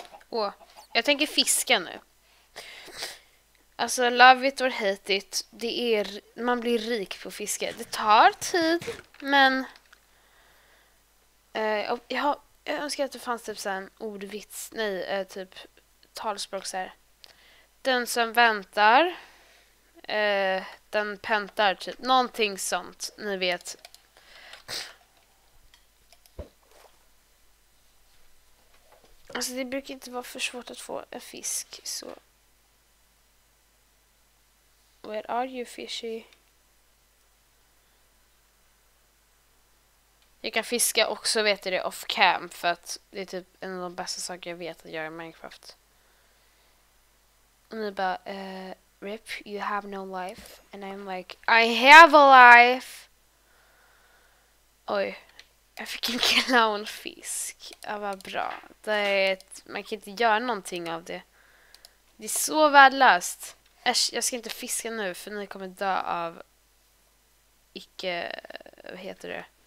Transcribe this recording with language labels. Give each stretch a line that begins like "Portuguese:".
Swedish: Åh, jag tänker fiska nu. Alltså,
English: love it or hate it.
Swedish: Man blir rik på fiske. Det tar tid, men jag önskar att det fanns typ så en ordvits, nej, typ talspråk så här. Den som väntar, den päntar, typ. Någonting sånt, ni vet. Alltså det brukar inte vara för svårt att få en fisk, så.
English: Where are you, fishy?
Swedish: Jag kan fiska också, vet du det,
English: off cam,
Swedish: för att det är typ en av de bästa saker jag vet att göra i Minecraft. Och ni bara, Rip,
English: you have no life. And I'm like, I have a life!
Swedish: Oj, jag fick en clownfisk. Ja, vad bra. Man kan inte göra någonting av det. Det är så värdelöst. Äsch, jag ska inte fiska nu, för ni kommer dö av icke, vad heter det?